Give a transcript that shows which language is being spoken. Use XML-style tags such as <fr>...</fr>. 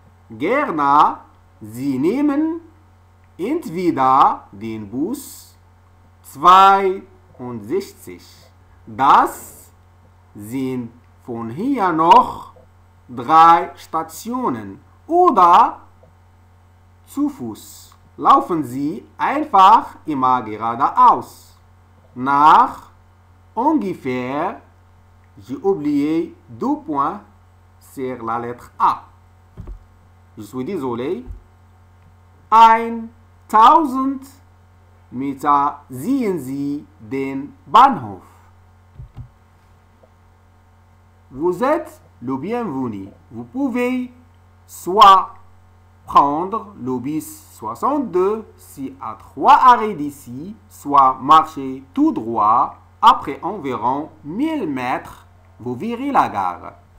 <de>Gerne, Sie nehmen entweder den Bus 62. Das sind von hier noch drei Stationen. Oder zu Fuß. Laufen Sie einfach immer geradeaus. Nach ungefähr,</de> <fr>j'ai oublié 2 points sur la lettre A. Je suis désolé.</fr> <de>1000 Meter sehen Sie den Bahnhof.</de> <fr>Vous êtes le bienvenu. Vous pouvez soit prendre le bus 62 si à 3 arrêts d'ici, soit marcher tout droit. Après environ 1000 mètres, vous verrez la gare.</fr>